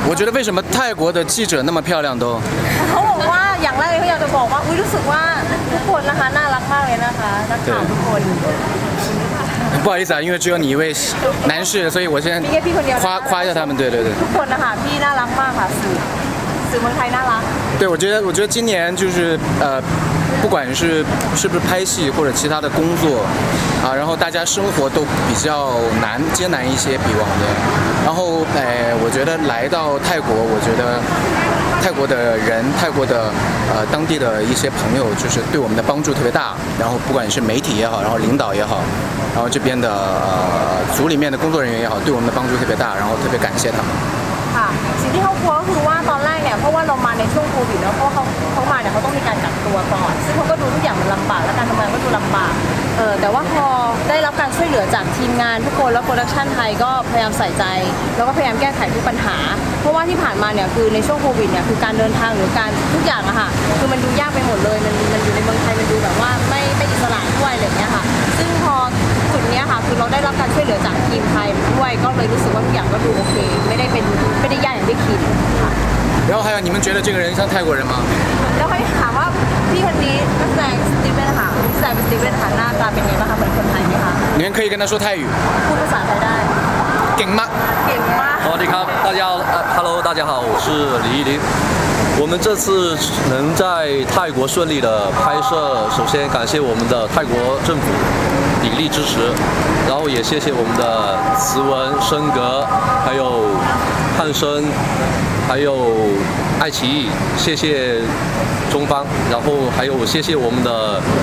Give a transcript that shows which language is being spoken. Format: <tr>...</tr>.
<zh>我觉得为什么泰国的记者那么漂亮都？我问我</zh> <th>อย่างแรกเขาอยากจะบอกว่ารู้สึกว่าทุกคนนะคะน่ารักมากเลยนะคะนักข่าวทุกคน</th> <zh>不好意思啊，因为只有你一位男士，所以我先夸一下他们。对对对。</zh> <th>ทุกคนนะคะพี่น่ารักมากค่ะสื่อเมืองไทยน่ารัก。</th> <zh>对，我觉得今年就是不管是不是拍戏或者其他的工作啊，然后大家生活都比较难艰难一些，比往年。然后我觉得来到泰国，我觉得泰国的人，泰国的当地的一些朋友，就是对我们的帮助特别大。然后不管是媒体也好，然后领导也好，然后这边的组里面的工作人员也好，对我们的帮助特别大，然后特别感谢他们。</zh> <th>สิ่งที่เขากลัวคือว่าตอนแรกเนี่ยเพราะว่าเรามาในช่วงโควิดแล้วเขามาเนี่ยเขาต้องมีการกักตัวก่อนซึ่งเขาก็ดูทุกอย่างมันลำบากและการทำงานก็ดูลำบากแต่ว่าพอได้ ได้รับการช่วยเหลือจากทีมงานทุกคนแล้วโปรดักชันไทยก็พยายามใส่ใจแล้วก็พยายามแก้ไขทุกปัญหาเพราะว่าที่ผ่านมาเนี่ยคือในช่วงโควิดเนี่ยคือการเดินทางหรือการทุกอย่างอะค่ะคือมันดูยากไปหมดเลยมันอยู่ในเมืองไทยมันดูแบบว่าไม่อิสระด้วยอะไรเงี้ยค่ะซึ่งพอจุดเนี้ยค่ะคือเราได้รับการช่วยเหลือจากทีมไทยด้วยก็เลยรู้สึกว่าทุกอย่างก็ดูโอเคไม่ได้ยากอย่างที่คิด แล้วให้</th> <zh>你们觉得这个人像泰国人吗</zh> <th>แล้วให้ถามว่าพี่คนนี้แสดงสตีเวนค่ะแสดงสตีเวนหน้าตาเป็นไงบ้างคะเหมือนคนไทยมั้ยคะ</th> <zh>你们可以跟他说泰语</zh> <th>พูดภาษาไทยได้เก่งมาก เก่งมาก สวัสดีครับ</th> <zh>大家hello 大家好我是李依林我们这次能在泰国顺利的拍摄首先感谢我们的泰国政府鼎力支持然后也谢谢我们的慈文升格还有汉森还有爱奇艺谢谢中方然后还有谢谢我们的</zh>